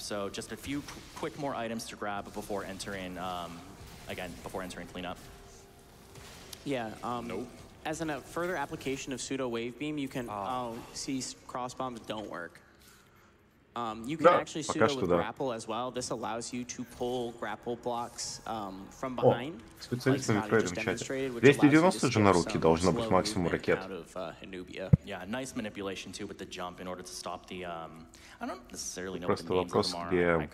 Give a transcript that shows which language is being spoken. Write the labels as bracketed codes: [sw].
[en] So just a few quick more items to grab before entering, cleanup. Yeah. Nope. As in a further application of pseudo wave beam, you can see cross bombs don't work. You can actually pseudo with grapple as well. This allows you to pull grapple blocks from behind. [ru] Специалисты Метроида в чате. 290 же на руки должно быть максимум ракет. [en] Yeah, nice manipulation too with the jump in order to stop the I don't necessarily know what the means of them are.